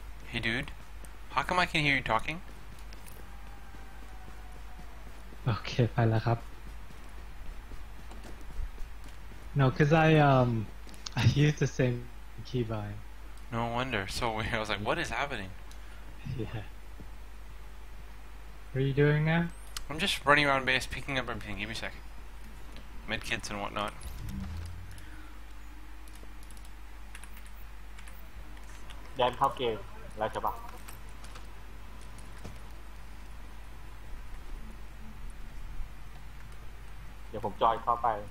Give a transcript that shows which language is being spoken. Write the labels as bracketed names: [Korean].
[English] Hey dude How come I can hear you talking? [Thai] โอเคไปแล้วครับ [English] No, cause I use the same keybind No wonder, so weird. I was like, what is happening? Yeah What are you doing now? I'm just running around base, picking up everything, give me a sec Medkits and whatnot [Thai] เดินเข้าเกมแล้วจะป่ะเดี๋ยวผมจอยเข้าไป